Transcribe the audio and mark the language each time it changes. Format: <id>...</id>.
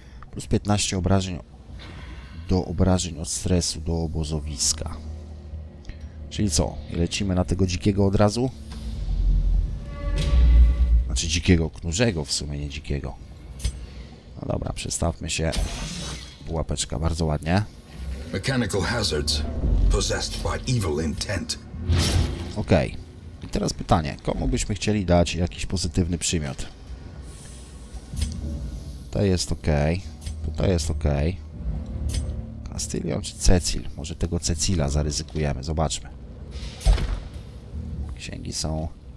<pl>Plus 15 obrażeń do obrażeń od stresu do obozowiska. Czyli co? Lecimy na tego dzikiego od razu? Znaczy dzikiego knurzego, w sumie nie dzikiego. No dobra, przestawmy się. Pułapeczka, bardzo ładnie.</pl> <en>Mechanical hazards possessed by evil intent.</en> <pl>Okej. I teraz pytanie, komu byśmy chcieli dać jakiś pozytywny przymiot? Tutaj jest okej. Tutaj jest okej. Castilian czy Cecil? Może tego Cecila zaryzykujemy, zobaczmy. Księgi są</pl>